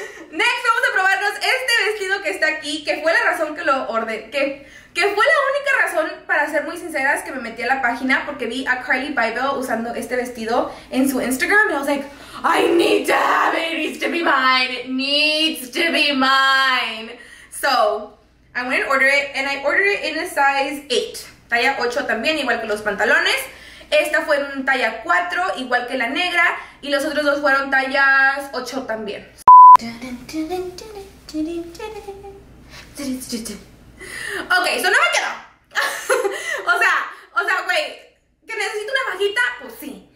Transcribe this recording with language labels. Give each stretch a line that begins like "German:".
English: Next,
Spanish: vamos a probarnos este vestido que está aquí, que fue la razón que lo ordené, que fue la única razón, para ser muy sinceras, que me metí a la página porque vi a Carly Bible usando este vestido en su Instagram. Y
English: I was like, I need to have it, it needs to be mine,
Spanish: it needs to be mine.
English: So, I went and ordered it, and I ordered it in a size 8.
Spanish: Talla 8 también, igual que los pantalones. Esta fue en talla 4, igual que la negra. Y los otros dos fueron tallas 8 también. Ok, eso no me quedó. O sea, güey, ¿que necesito una fajita? Pues sí.